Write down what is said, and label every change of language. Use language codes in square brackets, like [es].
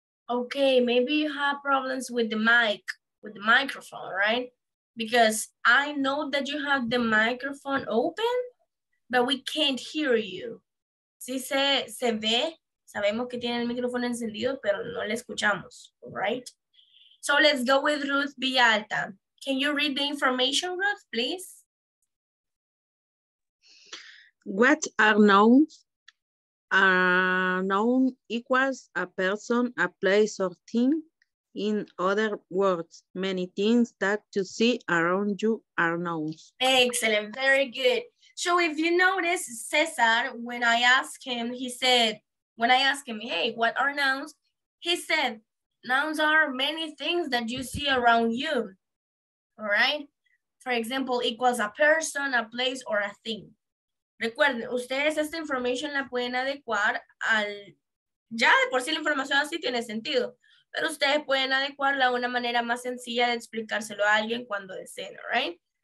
[en] Okay, maybe you have problems with the mic, with the microphone, right? Because I know that you have the microphone open, but we can't hear you. [es] Si se ve, sabemos que tiene el micrófono encendido, pero no le escuchamos, right? [en] So let's go with Ruth Villalta. Can you read the information, Ruth, please? What are nouns? A noun equals a person, a place, or thing. In other words, many things that you see around you are nouns. Excellent, very good. So if you notice, Cesar, when I asked him, he said, when I asked him, hey, what are nouns? He said, nouns are many things that you see around you, all right? For example, equals a person, a place, or a thing. [es] Recuerden, ustedes esta información la pueden adecuar al, ya de por sí la información así tiene sentido. Pero ustedes pueden adecuarla a una manera más sencilla de explicárselo a alguien cuando deseen, [en] all right?